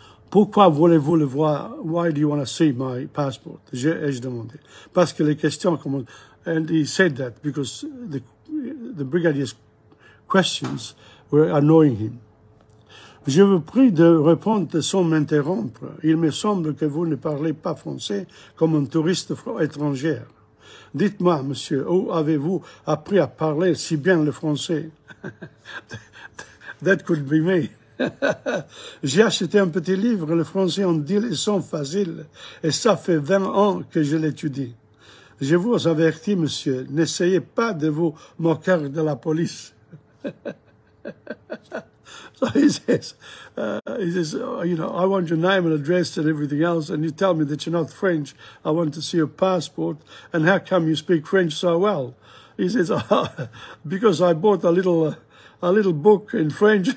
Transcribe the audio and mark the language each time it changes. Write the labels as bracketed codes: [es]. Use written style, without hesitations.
[fr] Pourquoi voulez-vous le voir? [en] Why do you want to see my passport? [fr] Ai-je demandé. Parce que les questions commencent. [en] And he said that because the brigadier's questions were annoying him. [fr] Je vous prie de répondre sans m'interrompre. Il me semble que vous ne parlez pas français comme un touriste étranger. Dites-moi, monsieur, où avez-vous appris à parler si bien le français? [en] That could be me. [fr] J'ai acheté un petit livre, le français en 10 leçons faciles, et ça fait 20 ans que je l'étudie. Je vous avertis, monsieur, n'essayez pas de vous moquer de la police. [en] So he says, you know, I want your name and address and everything else, and you tell me that you're not French. I want to see your passport. And how come you speak French so well? He says, because I bought a little book in French.